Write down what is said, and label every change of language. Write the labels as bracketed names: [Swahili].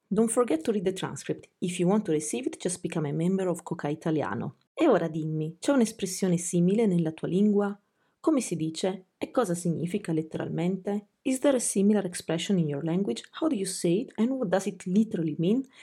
[English] Don't forget to read the transcript. If you want to receive it, just become a member of Cocai Italiano. [Italian] E ora dimmi, c'è un'espressione simile nella tua lingua? Come si dice? E cosa significa letteralmente? [English] Is there a similar expression in your language? How do you say it and what does it literally mean?